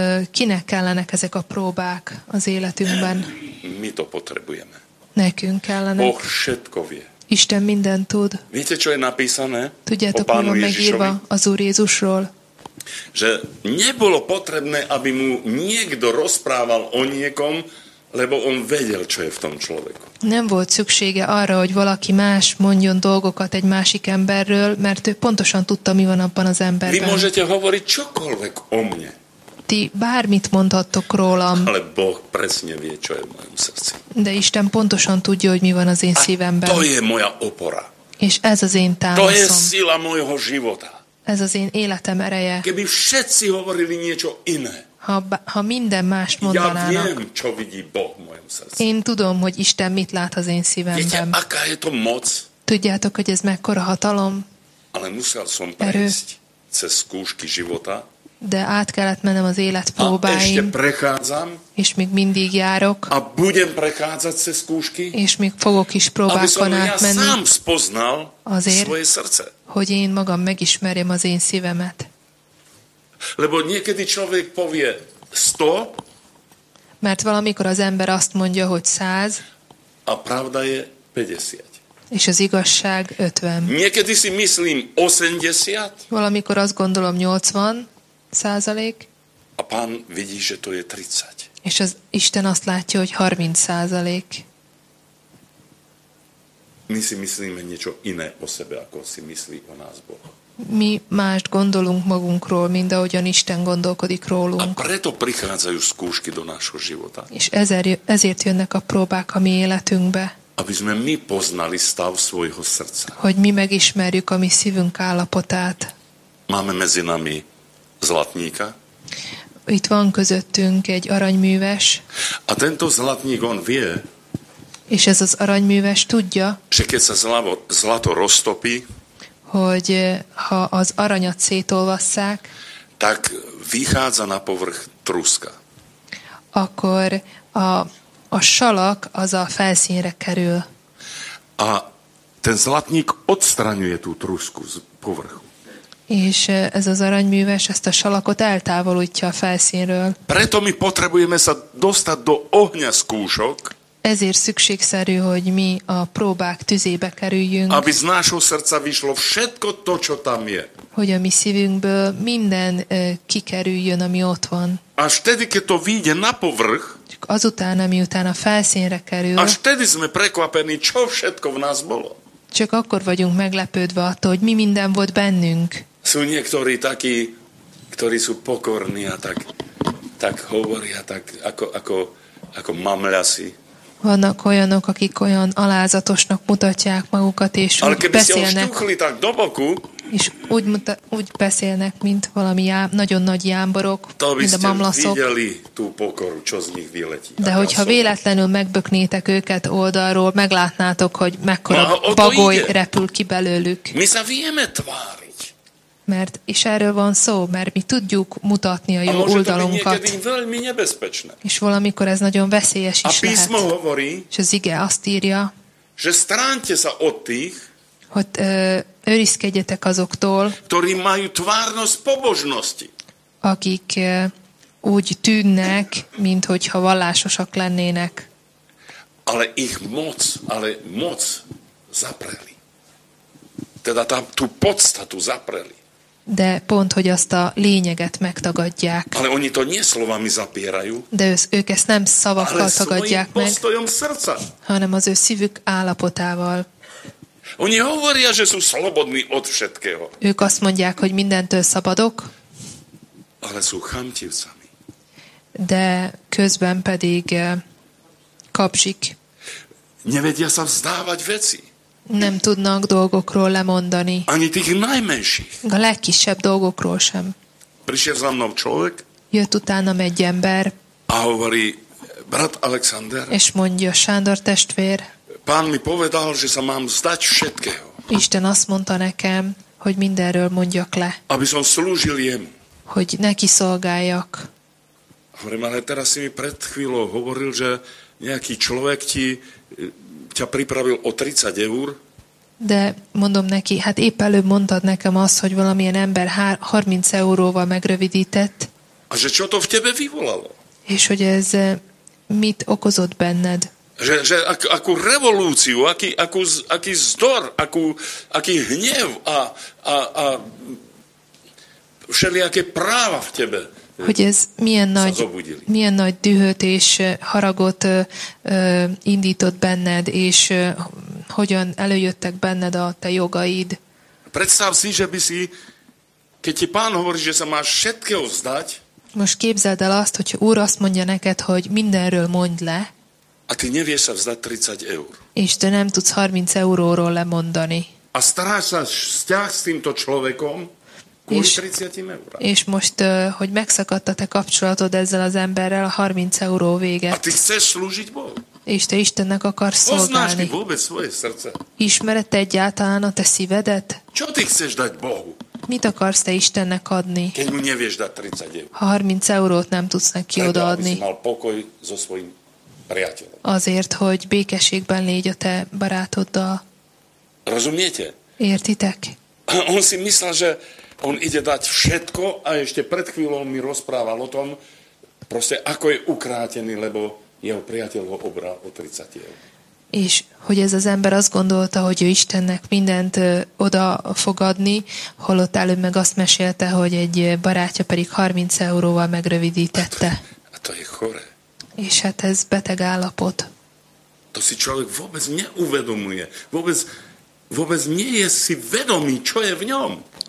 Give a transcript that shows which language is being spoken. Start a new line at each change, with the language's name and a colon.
Hungarian: Kinek kellenek ezek a próbák az életünkben?
Slovak: Mi to potrebujeme.
Hungarian: Nekünk kellene.
Slovak: Boh všetko vie.
Hungarian: Isten mindent tud.
Slovak: Viete, čo je napísané?
Hungarian: Tudjátok, mi van megírva az Úr Jézusról?
Slovak: Že nebolo potrebné, aby mu niekto rozprával o niekom, lebo on vedel, čo je v tom človeku.
Hungarian: Nem volt szüksége arra, hogy valaki más mondjon dolgokat egy másik emberről, mert ő pontosan tudta, mi van abban az emberben.
Slovak: Vy môžete hovoriť čokoľvek o mne.
Hungarian: Ty ti bármit mondhattok rólam.
Slovak: Ale Boh presne vie, čo je v mojom srdci.
Hungarian: De Isten pontosan tudja, hogy mi van az én szívemben.
Slovak: To je moja opora.
Hungarian: És ez az én támaszom.
Slovak: To je sila mojho života.
Hungarian: Ez az én életem ereje.
Slovak: Keby všetci hovorili niečo iné.
Hungarian: Ha minden mást mondanának.
Slovak: Ja viem, čo vidí Boh v mojom srdci.
Hungarian: Én tudom, hogy Isten mit lát az én szívemben.
Slovak: Viete, aká je to moc?
Hungarian: Tudjátok, hogy ez mekkora hatalom?
Slovak: Ale musel som prejsť cez skúšky života.
Hungarian: De át kellett mennem az élet próbáim.
Slovak: A ešte prechádzam.
Hungarian: És még mindig járok.
Slovak: A budem prechádzať cez skúšky.
Hungarian: És még fogok is próbákon átmenni.
Slovak: Aby som ja sám spoznal
Hungarian: azért,
Slovak: svoje srdce.
Hungarian: Hogy én magam megismerjem az én szívemet.
Slovak: Lebo niekedy človek povie 100.
Hungarian: Mert valamikor az ember azt mondja, hogy 100.
Slovak: A pravda je 50.
Hungarian: És az igazság 50.
Slovak: Niekedy si myslím 80.
Hungarian: Valamikor azt gondolom 80%.
Slovak: A pán vidí, že to je 30.
Hungarian: És az Isten azt látja, hogy 30%.
Slovak: My si myslíme niečo iné o sebe, ako si myslí o nás Boh.
Hungarian: Mi mást gondolunk magunkról, mint ahogyan Isten gondolkodik rólunk.
Slovak: A preto prichádzajú skúšky do nášho života.
Hungarian: És ezért jönnek a próbák a mi életünkbe.
Slovak: Aby sme my poznali stav svojho srdca.
Hungarian: Hogy mi megismerjük a mi szívünk állapotát.
Slovak: Máme medzi nami zlatníka.
Hungarian: Itt van közöttünk egy aranyműves.
Slovak: A tento zlatník on vie.
Hungarian: És ez az aranyműves tudja.
Slovak: Že keď sa zlato roztopí.
Hungarian: Hogy ha az aranyat szétolvasszák.
Slovak: Tak vychádza na povrch truska.
Hungarian: Akkor a salak az a felszínre kerül.
Slovak: A ten zlatník odstraňuje tú trusku z povrchu.
Hungarian: És ez az aranyműves ezt a salakot eltávolítja a felszínről.
Slovak: Preto mi potrebujeme sa dostať do ohňa skúšok.
Hungarian: Ezért szükségszerű, hogy mi a próbák tüzébe kerüljünk.
Slovak: Aby z nášho srdca vyšlo všetko to, čo tam je.
Hungarian: Hogy a mi szívünkből minden kikerüljön, ami ott van.
Slovak: Až tedy, keď to vyjde na povrch,
Hungarian: azután, ami utána felszínre kerül,
Slovak: až tedy sme prekvapení, čo všetko v nás bolo.
Hungarian: Csak akkor vagyunk meglepődve attól, hogy mi minden volt bennünk.
Slovak: Sú niektorí takí, ktorí sú pokorní a tak hovoria, tak ako mamľasi.
Hungarian: Vannak olyanok, akik olyan alázatosnak mutatják magukat, és
Slovak: ale
Hungarian: úgy beszélnek.
Slovak: Stuchli, do boku,
Hungarian: és úgy beszélnek, mint valami nagyon nagy jámborok, mint a mamlaszok.
Slovak: Pokoru, vyleti,
Hungarian: de hogyha véletlenül megböknétek őket oldalról, meglátnátok, hogy mekkora bagoly repül ki belőlük.
Slovak: Mi sa vieme tváriť.
Hungarian: Mert, és erről van szó, mert mi tudjuk mutatni a jó oldalunkat. És valamikor ez nagyon veszélyes is
Slovak: a písmo
Hungarian: lehet.
Slovak: Hovorí,
Hungarian: és az ige azt írja,
Slovak: že stránte sa od tých,
Hungarian: hogy őrizkedjetek azoktól,
Slovak: ktorí majú tvárnosť pobožnosti.
Hungarian: Akik úgy tűnnek, mint hogyha vallásosak lennének.
Slovak: Ale ich moc, ale moc zapreli. Teda tú podstatu zapreli.
Hungarian: De pont, hogy azt a lényeget megtagadják.
Slovak: Ale oni to nie slovami zapierajú.
Hungarian: De ők ezt nem szavakkal tagadják meg.
Slovak: Ale svojim postojom srdca.
Hungarian: Hanem az ő szívük állapotával.
Slovak: Oni hovoria, že sú slobodní od všetkého.
Hungarian: Ők azt mondják, hogy mindentől szabadok.
Slovak: Ale sú chamtivcami.
Hungarian: De közben pedig kapzsik.
Slovak: Nevedia sa vzdávať veci.
Hungarian: Nem tudnak dolgokról lemondani.
Slovak: Ani tých najmenších.
Hungarian: A legkisebb dolgokról sem.
Slovak: Prišiel za mnou človek.
Hungarian: Jött utánam egy ember.
Slovak: A hovorí, brat Alexander.
Hungarian: És mondja, Sándor testvér.
Slovak: Pán mi povedal, že sa mám vzdať všetkého.
Hungarian: Isten azt mondta nekem, hogy mindenről mondjak le.
Slovak: Aby som slúžil jemu.
Hungarian: Hogy neki szolgáljak.
Slovak: Hovorím, ale teraz si mi pred chvíľou hovoril, že nejaký človek ťa pripravil o 30 eur.
Hungarian: De mondom neki, hát épp előbb mondtad nekem azt, hogy valamilyen ember 30 euróval megrövidített.
Slovak: A že čo to v tebe vyvolalo?
Hungarian: És hogy ez mit okozott benned?
Slovak: Že akú revolúciu, aký zdor, aký hnev a všelijaké práva v tebe.
Hungarian: Hogy ez milyen nagy dühöt és haragot indított benned, és hogyan előjöttek benned a te jogaid.
Slovak: Predstav si, že by si, keď ti pán hovorí, že sa máš všetkého vzdať,
Hungarian: Most képzeld el azt, hogy Úr azt mondja neked, hogy mindenről mondj le.
Slovak: A ty nevieš sa vzdať 30 eur.
Hungarian: És te nem tudsz 30 euróról lemondani.
Slovak: A staráš sa vzťah s týmto človekom kvôli 30 eurám.
Hungarian: És most, hogy megszakadt a te kapcsolatod ezzel az emberrel, a 30 euró vége.
Slovak: A ty chceš slúžiť Bohu.
Hungarian: És te Istennek akarsz szolgálni. Ismered te egyáltalán a te szívedet?
Slovak: Čo ty chceš dať Bohu?
Hungarian: Mit akarsz te Istennek adni?
Slovak: Keď mu nevieš dať 30 eur.
Hungarian: 30 eurót nem tudsz neki odaadni.
Slovak: Preto, aby si mal pokoj so svojim priateľom.
Hungarian: Azért, hogy békességben légy a te barátoddal.
Slovak: Rozumiete?
Hungarian: Értitek?
Slovak: On si myslel, že on ide dať všetko a ešte pred chvíľou mi rozprával o tom, proste ako je ukrátený, lebo jeho priateľ ho obral o 30 eur.
Hungarian: És hogy ez az ember azt gondolta, hogy ő Istennek mindent oda fog adni, holott előbb meg azt mesélte, hogy egy barátja pedig 30 euróval megrövidítette.
Slovak: To je chore.
Hungarian: És hát ez beteg állapot.
Slovak: To si človek vôbec neuvedomuje. Vôbec nie je si vedomý, čo je v ňom.